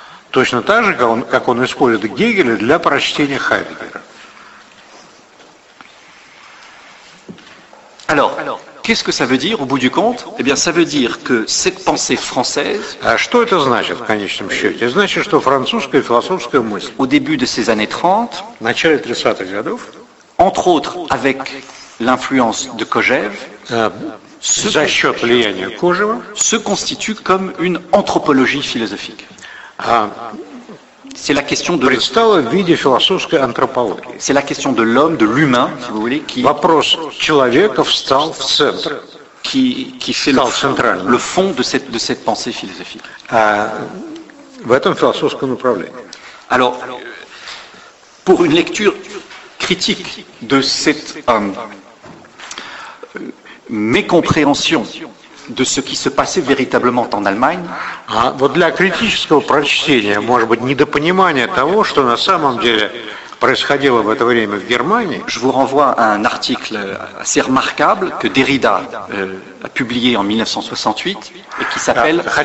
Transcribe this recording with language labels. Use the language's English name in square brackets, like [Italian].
[Russian] Точно так же, как он использует Гегеля для прочтения Хайдеггера. [French] Alors, qu'est-ce que ça veut dire au bout du compte? Eh bien, ça veut dire que cette pensée française. [Russian] А что это значит в конечном счете? Значит, что французская философская мысль. [French] Au début de ces années 30. [Russian] В начале 30-х годов. [French] Entre autres, avec l'influence de Kojève. [Russian] За счет влияния Кожева. [French] Se constitue comme une anthropologie philosophique. C'est la question de. [Russian] Представила в виде философской антропологии. [French] C'est la question de l'homme, de l'humain, si vous voulez, qui. [Russian] Вопрос человека встал в центр. [French] Qui fait le fond de cette pensée philosophique. [Russian] В этом философском направлении. [French] Alors, pour une lecture critique de cette mécompréhension. De ce qui se passait véritablement en Allemagne. [Russian] А вот для критического прочтения, может быть, недопонимания того, что на самом деле происходило в это время в Германии. [French] Je vous renvoie à un article assez remarquable que Derrida a publié en 1968 et qui s'appelle.